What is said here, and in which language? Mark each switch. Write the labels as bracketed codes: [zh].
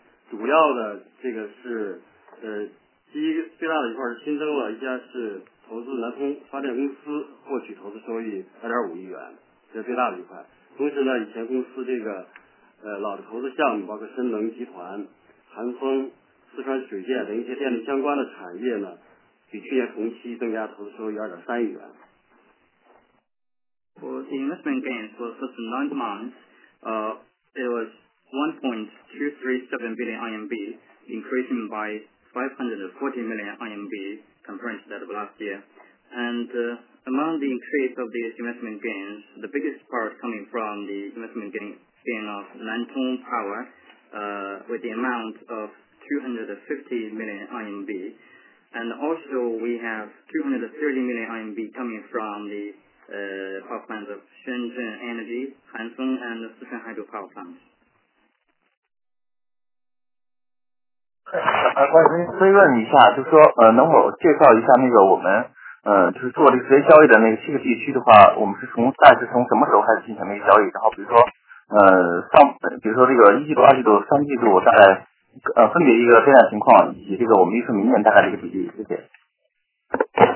[zh] 主要的这个是第一最大的一块是新增了一家是投资南通发电公司获取投资收益2.5亿元，这是最大的一块。同时呢，以前公司这个老的投资项目包括深能集团、韩丰、四川水电等一些电力相关的产业呢，比去年同期增加投资收益2.3亿元。 [en] For the investment gains for the first 9 months, it was 1.237 billion RMB, increasing by 540 million RMB compared to that of last year. And among the increase of these investment gains, the biggest part coming from the investment gain of Nantong Power with the amount of 250 million RMB. And also we have 230 million RMB coming from the power plants of Shenzhen Energy, Hanfeng, and the Sichuan Hydro Power Plant. [zh] 关于追问一下，就是说能否介绍一下那个我们就是做这个直接交易的那个七个地区的话，我们是从大致从什么时候开始进行那个交易，然后比如说这个一季度、二季度、三季度大概分别一个备战情况，以及这个我们预测明年大概的一个比例，谢谢。